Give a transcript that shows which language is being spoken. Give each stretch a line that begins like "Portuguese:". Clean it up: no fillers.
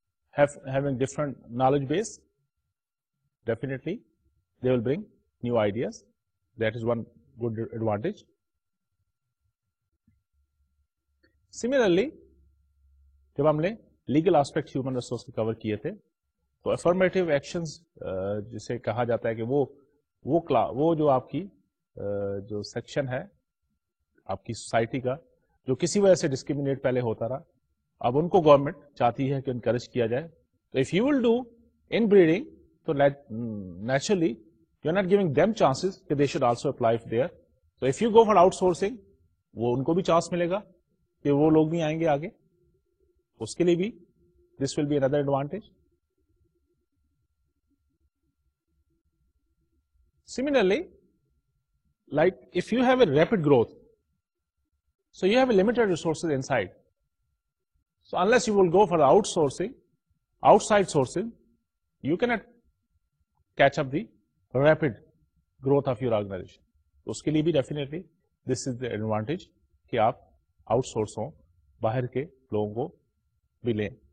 English: having different knowledge base, definitely they will bring new ideas. That is one good advantage.
Urdu: Similarly, جب ہم نے legal aspect human resource کے کور کیے تھے تو افرمیٹیو ایکشنز جسے کہا جاتا ہے کہ وہ جو آپ کی جو سیکشن ہے آپ کی سوسائٹی کا جو کسی وجہ سے ڈسکریمنیٹ پہلے ہوتا رہا اب ان کو گورنمنٹ چاہتی ہے کہ انکریج کیا جائے تو
English: if you will do inbreeding
Urdu: تو
English: naturally you are not giving them chances
Urdu: کہ
English: they should also apply for their
Urdu: تو
English: if you go for outsourcing
Urdu: وہ ان کو بھی چانس ملے گا کہ وہ لوگ بھی آئیں گے آگے اس کے لیے بھی
English: This will be under advantage. Similarly like if you have a rapid growth so you have a limited resources inside so unless you will go for outsourcing outside sourcing you can not catch up the rapid growth of your organisation.
Urdu: اس کے لیے بھی definitely
English: this is the advantage
Urdu: کہ آپ out source ہوں باہر کے لوگوں کو بھی لیں.